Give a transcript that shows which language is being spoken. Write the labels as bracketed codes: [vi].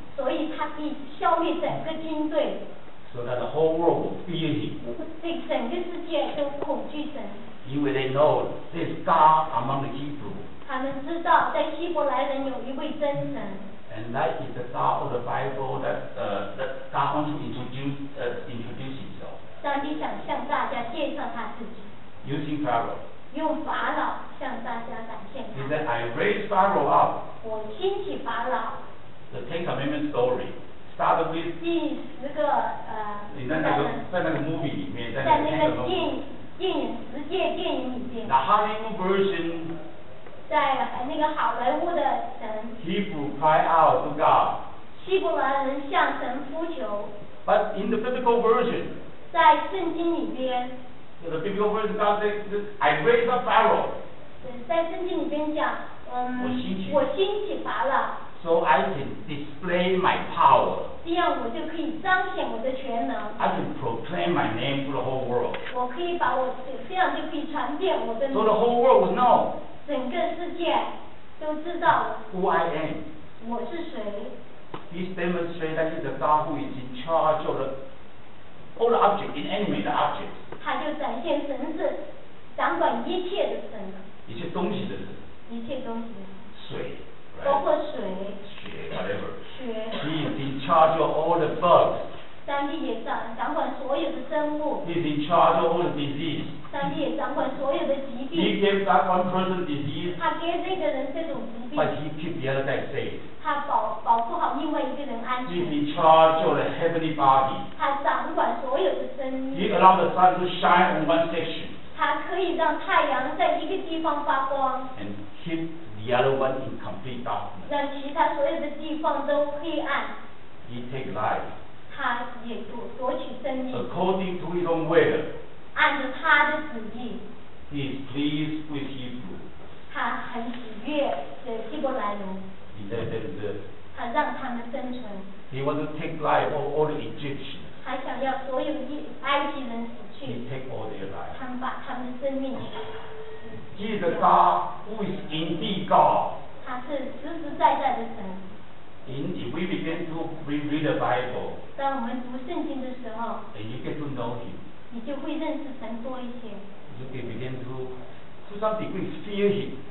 [zh] 所以他可以消灭整个军队。 [en] So that the whole world will fear him. [zh] 对整个世界都恐惧神。因为 [en] they know there's God among the Hebrew. [zh] 他们知道在希伯来人有一位真神。 [en] And that is the God of the Bible that God wants to introduce himself. [zh] 上帝想向大家介绍他自己。 [en] Using Pharaoh. [zh] 用法老向大家展现他。 [en] He said, I raised Pharaoh up. [zh] 我兴起法老。 [en] The Ten Commandments story. Start with [zh] Jin's 那个在那个 movie 里面，在那个 电影里面。 [en] The Hollywood version. [zh] 在那个好莱坞的神。 [en] People cry out to God. [zh] 希伯来人向神呼求。 [en] But in the biblical version. [zh] 在圣经里边。 [en] The biblical version God says, "I raise up Pharaoh." [zh] 在圣经里边讲。我兴起拔了 [en] so I can display my power. [zh] 这样我就可以彰显我的全能 [en] I can proclaim my name to the whole world. [zh] 我可以把我这样就可以传遍我的 [en] So the whole world will know. [zh] 整个世界都知道 [en] Who I am. [zh] 我是谁 [en] He's demonstrated that he's the God who is in charge of all the objects, inanimate objects. [zh] 他就展现神是掌管一切的神一切东西的神一切东西水、right? 包括水 [en] 血 whatever 血 He is in charge of all the bugs [zh] 上帝也掌管所有的生物 [en] He is in charge of all the disease [zh] 上帝也掌管所有的疾病 [en] He gave that one person disease [zh] 他给那个人这种疾病 [en] But he keep the other guy safe [zh] 他 保护好另外一个人安全 [en] He is in charge of the heavenly body [zh] 他掌管所有的生命 [en] He allowed the sun to shine on one section [zh] 他可以让太阳在一个地方发光 [en] AndKeep the other one in complete darkness. [zh] 让其他所有的地方都黑暗。 [en] He take life. [zh] 他也夺取生命。 [en] According to his own will. [zh] 按着他的旨意。 [en] He is pleased with Hebrew. [zh] 他很喜悦的希伯来人。 [en] He let them live. [zh] 他让他们生存。 [en] He want to take life of all the Egyptians. [zh] 他想要所有埃及人死去。 [en] He take all their life. [zh] 他们把他们的生命。 [en] He is a God who is indeed God. [zh] 他是实实在在的神。 [en] If we begin to read the Bible, [zh] 当我们读圣经的时候 [en] and you get to know him, [zh] 你就会认识神多一些。 [en] You can begin to some degree fear him.